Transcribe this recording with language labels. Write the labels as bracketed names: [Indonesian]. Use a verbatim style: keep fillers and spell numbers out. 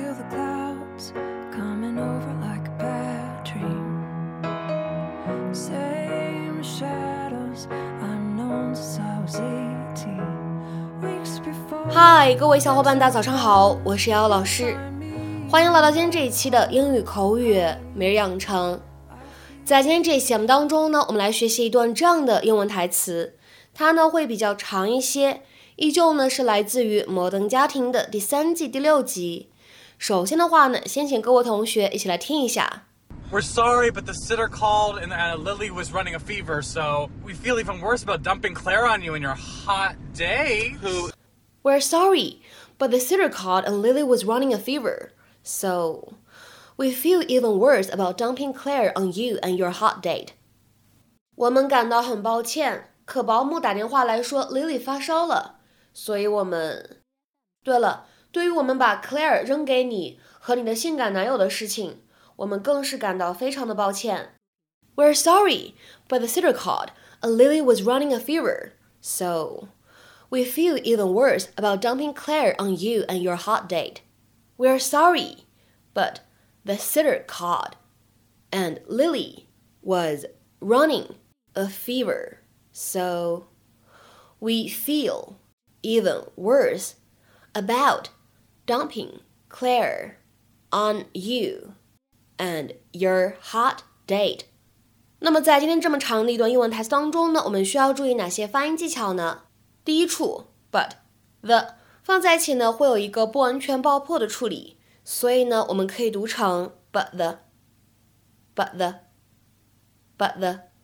[English] thoughts coming over like a bad dream. Same shadows I've known since I was eighteen. Weeks before. [Chinese] 嗨，各位小伙伴，大早上好，我是瑶瑶老师，欢迎来到今天这一期的英语口语每日养成。在今天这一期节目当中呢，我们来学习一段这样的英文台词，它呢会比较长一些。依旧呢是来自于摩登家庭的第三季第六集。首先的话呢，先请各位同学一起来听一下。 [English] We're sorry, but the sitter called and uh, Lily was running a fever, so we feel even worse about dumping Claire on you in your hot day. Who? We're sorry, but the sitter called and Lily was running a fever, so we feel even worse about dumping Claire on you and your hot date. [Chinese] 我们感到很抱歉，可保姆打电话来说 Lily 发烧了。所以我们，对了，对于我们把 Claire 扔给你和你的性感男友的事情，我们更是感到非常的抱歉。 [English] We're sorry, but the sitter called, and Lily was running a fever, so we feel even worse about dumping Claire on you and your hot date. We're sorry, but the sitter called, and Lily was running a fever, so we feel... even worse about dumping Claire on you and your hot date. [Chinese] 那么在今天这么长的一段英文台词当中呢，我们需要注意哪些发音技巧呢？第一处 but the 放在一起呢，会有一个不完全爆破的处理，所以呢，我们可以读成 [English] but the but the but the。